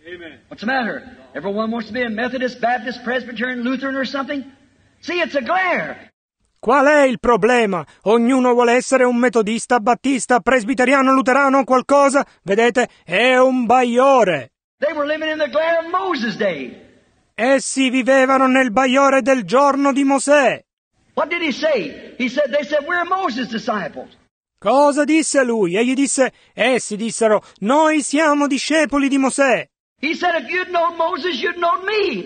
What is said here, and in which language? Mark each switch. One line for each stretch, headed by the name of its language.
English: Amen. What's the matter? Everyone wants to be a Methodist, Baptist, Presbyterian, Lutheran or something? See, it's a glare.
Italian: Qual è il problema? Ognuno vuole essere un metodista, battista, presbiteriano, luterano o qualcosa? Vedete, è un bagliore.
English: They were living in the glare of Moses' day.
Italian: Essi vivevano nel bagliore del giorno di Mosè.
English: What did he say? He said, they said, we're Moses' disciples.
Italian: Cosa disse lui? Egli disse, essi dissero, noi siamo discepoli di Mosè.
English: He said, if you'd known Moses, you'd known me.